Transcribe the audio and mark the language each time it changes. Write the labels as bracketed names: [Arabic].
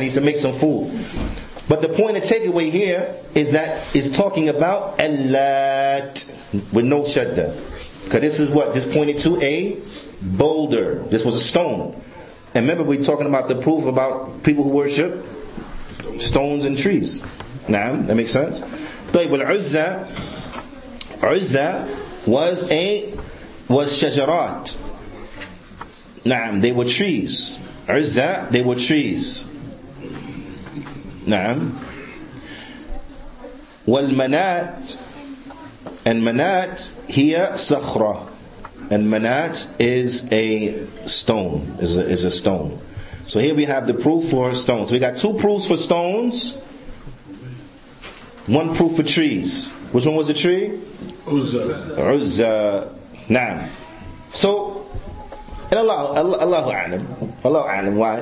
[English] He used to make some food. But the point of takeaway here is that it's talking about Allat with no shadda. Because this is what? This pointed to a boulder. This was a stone. And remember, we're talking about the proof about people who worship stones and trees. [Arabic] نعم, [English] that makes sense. [Arabic] طيب العزة عزة [English] was a was [Arabic] شجرات. نعم, [English] they were trees. عزة, they were trees. [Arabic] نعم. والمنات [English] and [Arabic] منات هي صخرة. [English] And منات is a stone. Is a stone. So here we have the proof for stones. We got two proofs for stones. One proof for trees. Which one was the tree? Uzzah. Uzzah. Naam. So, and Allahu A'lam. Allahu A'lam. Why?